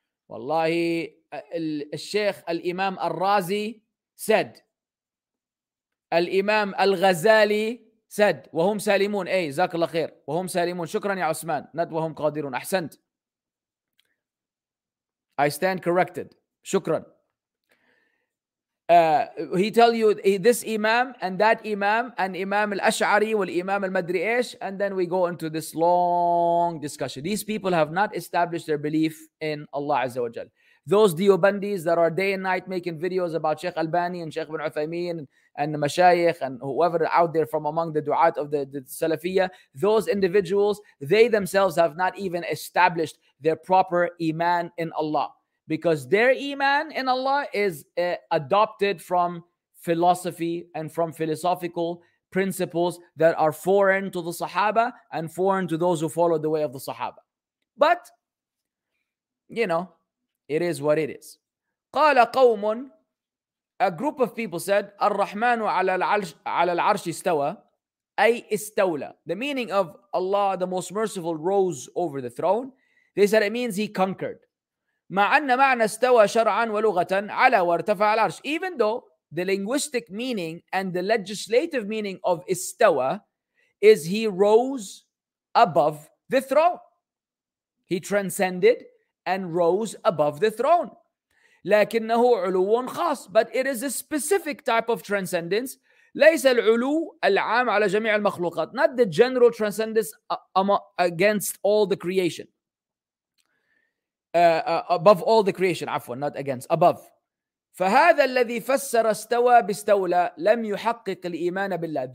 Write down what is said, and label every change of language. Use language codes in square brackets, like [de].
[ar] والله الشيخ الإمام الرازي said, الإمام الغزالي said, وهم سالمون, أي زاك الله خير, وهم سالمون, شكرا يا عثمان, ند وهم قادرون, أحسنت, [en] I stand corrected, [ar] شكرا. [en] He tell you this Imam and that Imam and Imam al-Ash'ari wal Imam al-Madri Ish, and then we go into this long discussion. These people have not established their belief in Allah Azza wa Jal. Those Diobandis that are day and night making videos about Sheikh Albani and Sheikh bin Uthaymeen and the Mashayikh and whoever out there from among the du'at of the Salafiyyah, those individuals, they themselves have not even established their proper Iman in Allah. Because their iman in Allah is adopted from philosophy and from philosophical principles that are foreign to the Sahaba and foreign to those who follow the way of the Sahaba. But, you know, it is what it is. [ar] قال قوم, [en] a group of people said, [ar] الرحمن على العرش استوى, أي استولى. [en] The meaning of Allah, the most merciful, rose over the throne. They said it means he conquered. [ar] مع أن معنى استوى شرعا ولغة على وارتفع العرش. [en] Even though the linguistic meaning and the legislative meaning of استوى is he rose above the throne. He transcended and rose above the throne. [ar] لكنه علو خاص. [en] But it is a specific type of transcendence. [ar] ليس العلو العام على جميع المخلوقات. [en] Not the general transcendence against all the creation. Above all the creation, عفوا, not against, above. [ar] فهذا الذي فسر استوى باستولى لم يحقق الإيمان بالله.